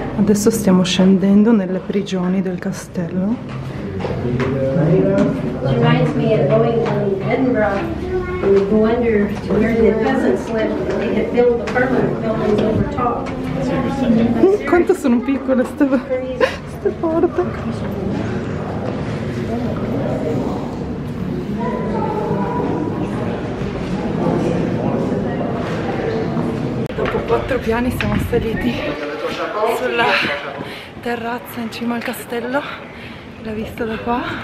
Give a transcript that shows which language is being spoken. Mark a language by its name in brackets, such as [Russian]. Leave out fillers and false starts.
[Italian] Adesso stiamo scendendo nelle prigioni del castello. [English] Reminds me of going to Edinburgh and go under to where the peasants lived. They had built the permanent buildings over top. [Italian] Quanto sono piccole ste porte. Dopo quattro piani siamo saliti sulla terrazza in cima al castello, la vista da qua.